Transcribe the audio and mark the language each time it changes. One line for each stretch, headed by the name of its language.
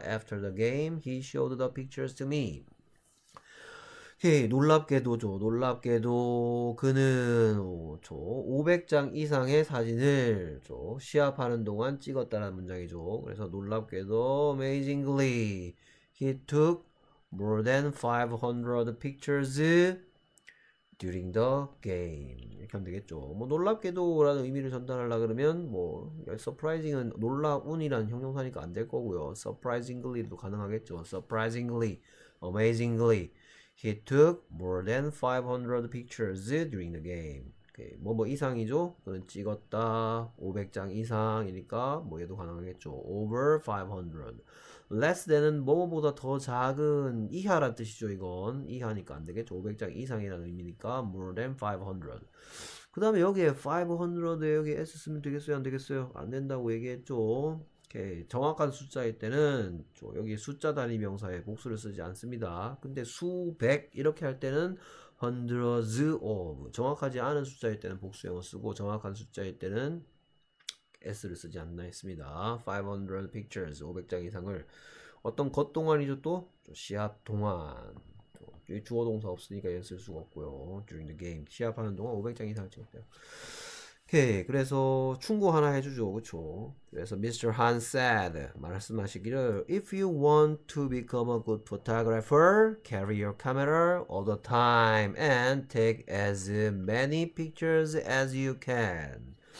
English: After the game, he showed the pictures to me.
Korean: 헤이 놀랍게도죠. 놀랍게도 그는 저 500장 이상의 사진을 저 시합하는 동안 찍었다는 문장이죠. 그래서 놀랍게도
English: amazingly, he took more than 500 pictures during the game.
Korean: 이렇게 하면 되겠죠. 뭐 놀랍게도라는 의미를 전달하려 그러면 뭐 surprising은 놀라운이라는 형용사니까 안될 거고요. surprisingly도 가능하겠죠.
English: surprisingly, amazingly, he took more than 500 pictures during the game.
Korean: 뭐뭐 이상이죠. 그는 찍었다. 500장 이상이니까 뭐 얘도 가능하겠죠.
English: over 500. less than
Korean: 은 뭐뭐보다 더 작은 이하란 뜻이죠. 이건 이하니까 안 되겠죠. 500장 이상이라는 의미니까
English: more than 500.
Korean: 그 다음에 여기에 500에 여기 s 쓰면 되겠어요 안 되겠어요? 안 된다고 얘기했죠. 오케이. 정확한 숫자일 때는 여기 숫자 단위 명사에 복수를 쓰지 않습니다. 근데 수백 이렇게 할 때는
English: hundreds of
Korean: 정확하지 않은 숫자일 때는 복수형을 쓰고 정확한 숫자일 때는 s를 쓰지 않나 했습니다.
English: 500 pictures
Korean: 500장 이상을 어떤 겉동안이죠 또? 시합 동안 여기 주어 동사 없으니까 얘는 쓸 수가 없고요.
English: during the game
Korean: 시합하는 동안 500장 이상을 찍었대요. 오케이. 그래서 충고 하나 해주죠. 그쵸? 그래서 Mr.
English: Han said
Korean: 말씀하시기를
English: If you want to become a good photographer, carry your camera all the time and take as many pictures as you can.